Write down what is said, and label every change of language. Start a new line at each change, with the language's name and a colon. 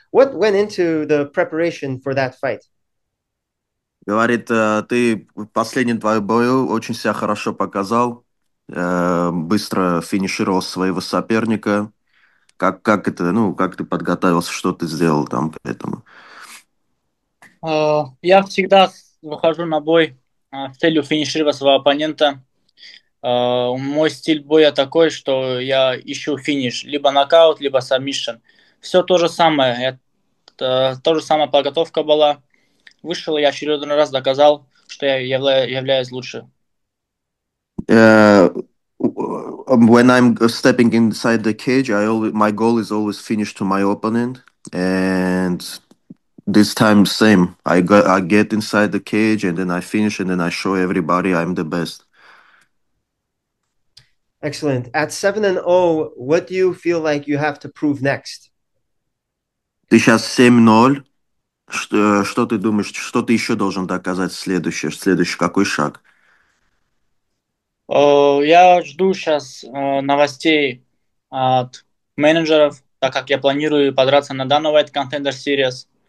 English: What went into the preparation for that fight?
Russian: Говорит, ты в последнем твоем бою очень себя хорошо показал, быстро финишировал своего соперника. Как это, ну, как ты подготовился, что ты сделал там к этому? Я всегда выхожу на бой с целью финишировать своего оппонента. Мой стиль боя такой, что я ищу финиш, либо нокаут, либо сабмишн. Все то же самое. Та же самая подготовка была. Вышел, я очередной раз доказал, что я являюсь лучше.
English: When I'm stepping inside the cage, my goal is always finish to my opponent, and this time same. I get inside the cage and then I finish and then I show everybody I'm the best. Excellent. At 7-0, what do you feel like you have to prove next?
Russian: Ты сейчас 7-0. Что ты думаешь, что ты еще должен доказать следующий какой шаг? Я жду сейчас новостей от менеджеров, так как я планирую подраться на данный White Contender Series.